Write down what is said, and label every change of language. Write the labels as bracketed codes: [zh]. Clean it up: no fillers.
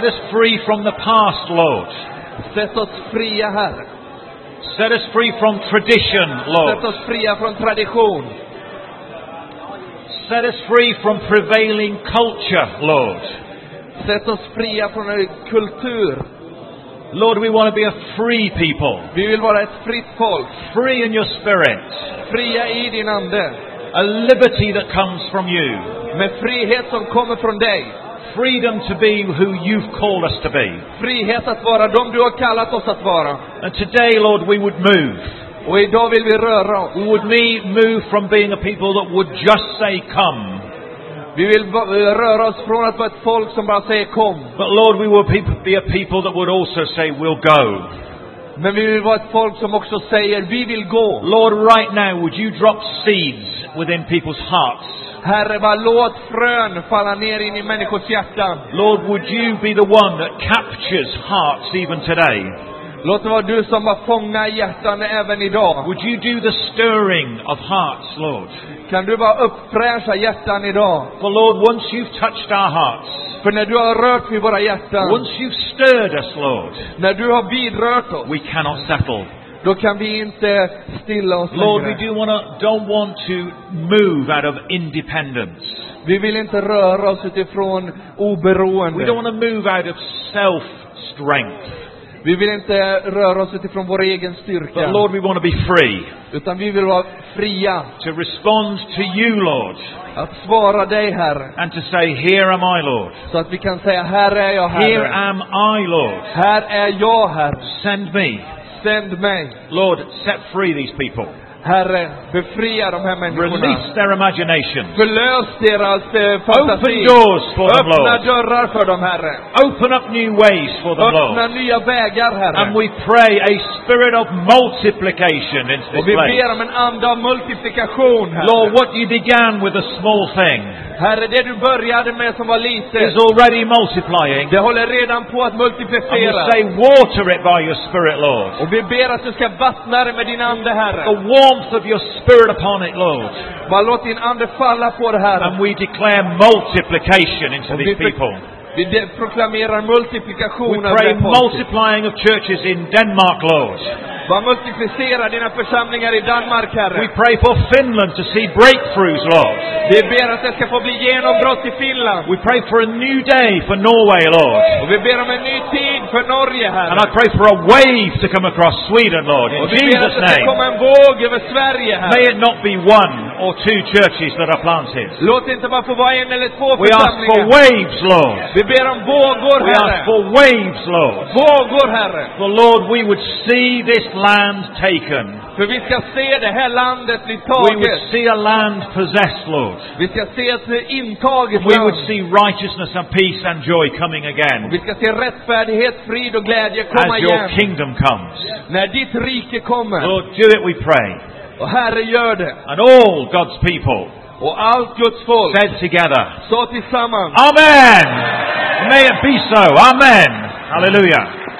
[en] Set us free from the past, Lord. [sv] Sätt oss fria, Herre. [en] Set us free from tradition, Lord. [sv] Sätt oss fria från tradition. [en] Set us free from prevailing culture, Lord. [sv] Sätt oss fria från kultur. [en] Lord, we want to be a free people. [sv] Vi vill vara ett fritt folk. [en] Free in your spirit. [sv] Fria i din ande. [en] A liberty that comes from you. [sv] Med frihet som kommer från dig. [en] Freedom to be who you've called us to be. [sv] Frihet att vara dem du har kallat oss att vara. [en] And today, Lord, we would move. [sv] Och idag vill vi röra oss. [en] We would move from being a people that would just say come. [sv] Vi vill röra oss från att vara ett folk som bara säger kom. [en] But Lord, we will be a people that would also say we'll go. [sv] Men vi vill vara ett folk som också säger vi vill gå. [en] Lord, right now, would you drop seeds within people's hearts? [sv] Herre, bara låt frön falla ner in i människors hjärta. [en] Lord, would you be the one that captures hearts even today? [sv] Låt det vara du som har fångat hjärtan även idag. [en] Would you do the stirring of hearts, Lord? [sv] Kan du bara uppfräscha hjärtan idag? [en] For Lord, once you've touched our hearts. [sv] För när du har rört vid våra hjärtan. [en] Once you've stirred us, Lord. [sv] När du har vidrört oss. [en] We cannot settle. [sv] Då kan vi inte stilla oss. [en] Lord, we don't want to move out of independence. [sv] Vi vill inte röra oss utifrån oberoende. [en] We don't want to move out of self strength. [sv] Vi vill inte röra oss utifrån vår egen styrka. [en] But Lord, we want to be free. [sv] Utan vi vill vara fria. [en] To respond to you, Lord. [sv] Att svara dig, Herre. [en] And to say, here am I, Lord. [sv] Så att vi kan säga, här är jag, Herre. [en] Here am I, Lord. [sv] Här är jag, Herre. [en] Send me. [sv] Send mig. [en] Lord, set free these people. [sv] Herre, befria de här människorna. [en] Release their imagination. [sv] Förlös deras fantasi. [en] Open doors for them, Lord. [sv] Öppna dörrar för dem, Herre. [en] Open up new ways for them, Lord. [sv] Öppna nya vägar, Herre. [en] And we pray a spirit of multiplication in this place. [sv] Och vi ber om en ande av multiplikation, Herre. [en] Lord, what you began with a small thing. [sv] Herre, det du började med som var lite. [en] Is already multiplying. [sv] Det håller redan på att multiplicera. [en] And we say, water it by your spirit, Lord. [sv] Och vi ber att du ska vattna det med din ande, Herre. [en] The warmth of your spirit upon it, Lord. [sv] Bara låt din ande falla på det, Herre. [en] And we declare multiplication into these people. [sv] Vi proklamerar multiplikation. [en] We pray multiplying of churches in Denmark, Lord. [sv] Bara multiplicera dina församlingar i Danmark, Herre. [en] We pray for Finland to see breakthroughs, Lord. [sv] Vi ber att det ska få bli genombrott i Finland. [en] We pray for a new day for Norway, Lord. [sv] Och vi ber om en ny tid för Norge, Herre. [en] And I pray for a wave to come across Sweden, Lord. In Jesus' name. [sv] Och vi ber att det ska komma en våg över Sverige, Herre. [en] May it not be one or two churches that are planted. [sv] Låt inte bara få vara en eller två församlingar. [en] We ask for waves, Lord. [sv] Vi ber om vågor, Herre. [en] We ask for waves, Lord. [sv] Vågor, Herre. [en] For Lord, we would see this land taken. [sv] För vi ska se det här landet bli taget. [en] We would see a land possessed, Lord. [sv] Vi ska se ett intaget land. [en] We would see righteousness and peace and joy coming again. [sv] Vi ska se rättfärdighet, frid och glädje komma [en] igen. As your kingdom comes. [sv] När ditt rike kommer. [en] Lord, do it, we pray. [sv] Och Herre, gör det. [en] And all God's people. [sv] Och allt Guds folk. [en] Said together. [sv] Så tillsammans. [en] Amen. May it be so. Amen. Hallelujah.